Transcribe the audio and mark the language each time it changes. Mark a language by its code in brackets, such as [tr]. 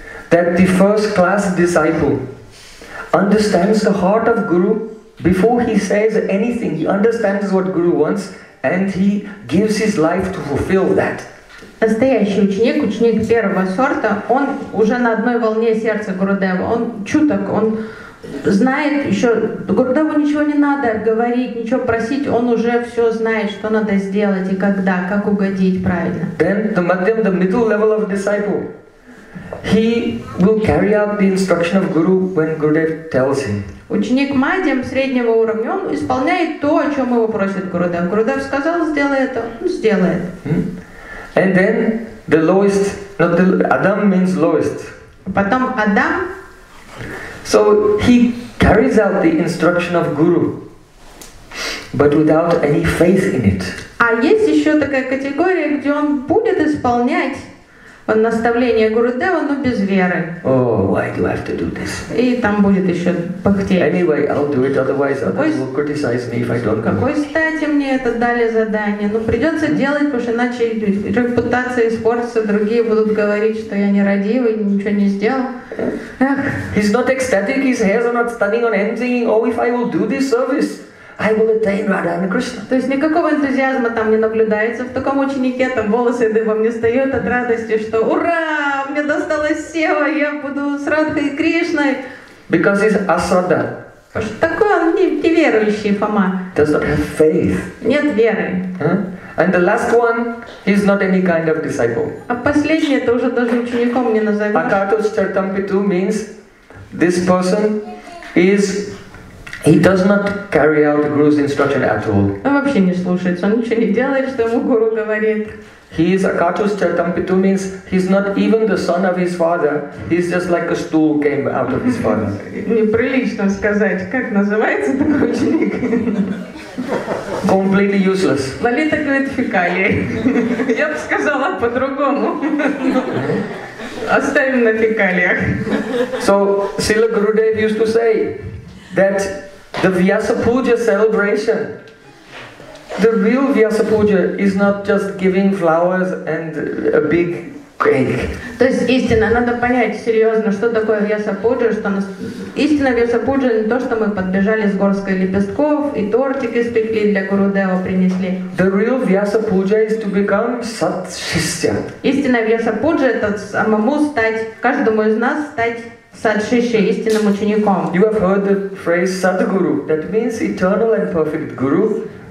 [en] That the first class disciple understands the heart of Guru before he says anything, he understands what Guru wants, and he gives his life to fulfill that. [ru] Настоящий ученик, ученик первого сорта, он уже на одной волне сердца Гурудева. Он чуток, он знает еще. Гурудеву ничего не надо говорить, ничего просить. Он уже все знает, что надо сделать и когда, как угодить правильно. [en] Then the middle level of disciple, he will carry out the instruction of Guru when Gurudev tells him. [ru] Ученик Мадхьям среднего уровня, он исполняет то, о чем его просит Гурудев. Гурудев сказал, сделай это, он сделает. [en] And then the lowest, not the, Adam means lowest. [ru] Потом Адам. [en] So he carries out the instruction of Guru. but without any faith in it. [ru] А есть еще такая категория, где он будет исполнять наставления Гурудева, но без веры. [en] Oh, why do I have to do this? [ru] И там будет еще пахтеть. [en] Anyway, I'll do it, otherwise others will criticize me if I don't. [ru] Какой стати мне это дали задание? Ну придется делать, потому что иначе репутация испортится, другие будут говорить, что я нерадивый, ничего не сделал. [en] He's not ecstatic, his hairs are not standing on end, saying, oh, if I will do this service, I will attain Radha and Krishna. [ru] То есть никакого энтузиазма там не наблюдается в таком ученике, там волосы дыбом не встают от радости, что ура, мне досталась сева, я буду с Радхой и Кришной. [en] Because he's asrada. [ru] Такой он неверующий, Фома. [en] Does not have faith. [ru] Нет веры. [en] And the last one, he's not any kind of disciple. [ru] А последний это уже даже учеником не назовешь. [en] Akatushtartampitu means this person is. He does not carry out the Guru's instruction at all. [ru] Он вообще не слушается, он ничего не делает, что ему Гуру говорит. [en] He is Akatushtartampitu means he's not even the son of his father. He's just like a stool came out of his father. [ru] Неприлично сказать, как называется такой ученик. [en] Completely useless. [ru] Лолита говорит фекалии. Я бы сказала по-другому. Оставим на фекалиях. [en] So, Srila Gurudev used to say that the Vyasa Puja celebration, the real Vyasa Puja is not just giving flowers and a big cake. [ru] То есть истина, надо понять серьезно, что такое Вьяса Пуджа, что нас... истина Вьяса Пуджа не то, что мы подбежали с горской лепестков и тортик испекли для Гурудева принесли. [en] The real Vyasa Puja is to become Sat Shishya. [ru] Истина Вьяса Пуджа это самому стать, каждому из нас стать Сат Шишья, истинным учеником. [en] You have heard the phrase Satguru, that means eternal and perfect guru.